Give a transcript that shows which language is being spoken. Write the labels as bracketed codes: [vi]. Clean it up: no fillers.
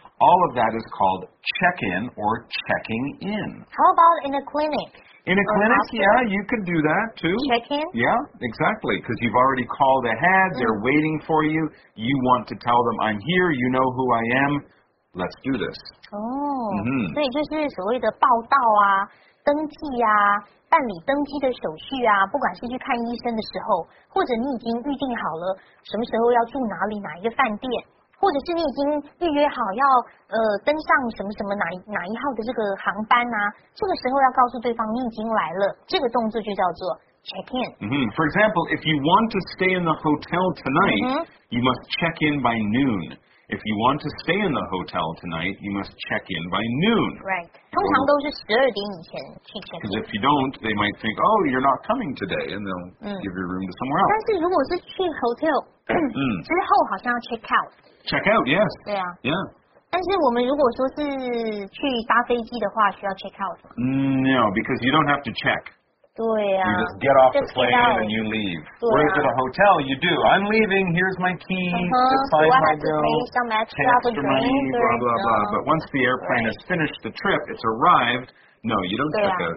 [en] All of that is called check-in or checking in. How about in a clinic? In a clinic, yeah, you can do that too. Check-in? Yeah, exactly, because you've already called ahead, they're waiting for you. You want to tell them, I'm here, you know who I am. Let's do this. [zh] 所以就是所谓的报到啊，登记啊，办理登记的手续啊，不管是去看医生的时候，或者你已经预定好了什么时候要住哪里哪一个饭店，或者是你已经预约好要登上什么什么哪一号的这个航班啊，这个时候要告诉对方你已经来了，这个动作就叫做 check in. [en] For example, if you want to stay in the hotel tonight, you must check in by noon. If you want to stay in the hotel tonight, you must check in by noon. Right. [zh] 通常都是十二点以前去 check in. [en] Because if you don't, they might think, oh, you're not coming today, and they'll give your room to somewhere else. [zh] 但是如果是去 hotel, 之后好像要 check out. [en] Check out, yes. [zh] 对啊。 [en] Yeah. [zh] 但是我们如果说是去搭飞机的话需要 check out 吗？ [en] No, because you don't have to check. [zh] 对啊、 [en] you just get off the plane and you leave.、啊、 Whereas at a hotel, you do. I'm leaving, here's my key, sign my bill, pay extra money, blah, blah, blah. But once the airplane has finished the trip, it's arrived, no, you don't check out,